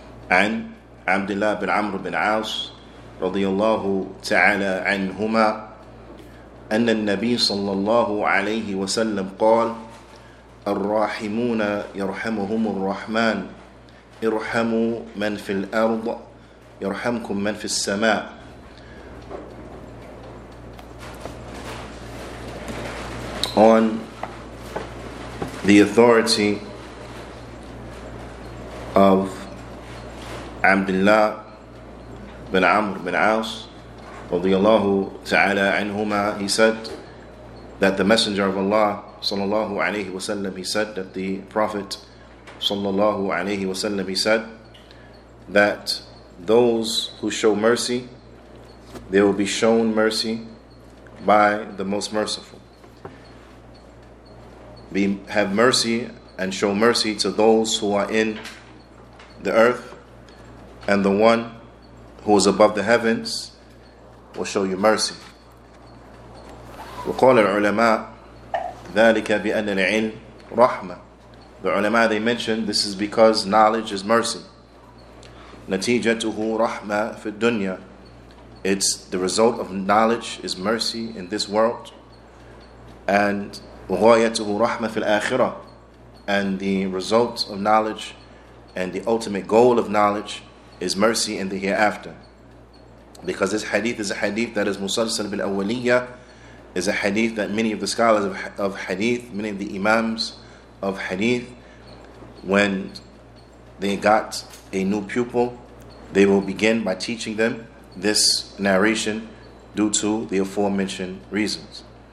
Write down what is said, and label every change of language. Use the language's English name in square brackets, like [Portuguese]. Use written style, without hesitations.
[Arabic] عن عبد الله بن عمرو بن عاص رضي الله تعالى عنهما أن النبي صلى الله عليه وسلم قال الراحمون يرحمهم الرحمن ارحموا من في الأرض يرحمكم من في السماء. [English] On the authority of Abdullah bin Amr bin Aus radiyallahu ta'ala anhuma, he said that the Messenger of Allah sallallahu alayhi wa sallam, he said that the Prophet sallallahu alayhi wa sallam, he said that those who show mercy, they will be shown mercy by the Most Merciful. We have mercy and show mercy to those who are in the earth, and the one who is above the heavens will show you mercy. [Arabic] وقال العلماء ذلك بأن العلم رحمة. [English] The ulama, they mentioned, this is because knowledge is mercy. [Arabic] نتيجته رحمة في الدنيا. [English] It's the result of knowledge is mercy in this world. [Arabic] And وغايته رحمة في الآخرة. [English] And the result of knowledge and the ultimate goal of knowledge is mercy in the hereafter. Because this hadith is a hadith that is musalsal bil awwaliyya, is a hadith that many of the scholars of hadith, many of the imams of hadith, when they got a new pupil, they will begin by teaching them this narration due to the aforementioned reasons.